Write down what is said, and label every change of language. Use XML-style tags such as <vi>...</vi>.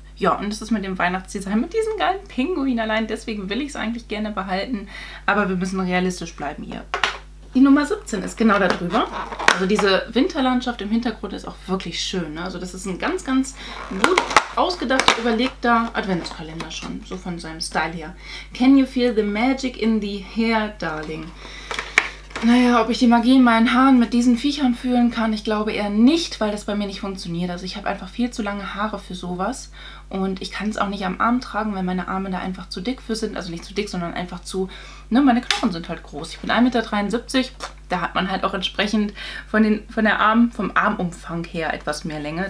<de>Ja, und das ist mit dem Weihnachtsdesign, mit diesem geilen Pinguin allein. Deswegen will ich es eigentlich gerne behalten. Aber wir müssen realistisch bleiben hier. Die Nummer 17 ist genau da drüber. Also diese Winterlandschaft im Hintergrund ist auch wirklich schön, ne? Also das ist ein ganz, ganz gut ausgedachter, überlegter Adventskalender schon. So von seinem Style her.</de> <en>Can you feel the magic in the hair, darling?</en> <de>Naja, ob ich die Magie in meinen Haaren mit diesen Viechern fühlen kann, ich glaube eher nicht, weil das bei mir nicht funktioniert. Also ich habe einfach viel zu lange Haare für sowas und ich kann es auch nicht am Arm tragen, weil meine Arme da einfach zu dick für sind. Also nicht zu dick, sondern einfach zu, ne, meine Knochen sind halt groß. Ich bin 1,73 Meter, da hat man halt auch entsprechend vom Armumfang her etwas mehr Länge.</de>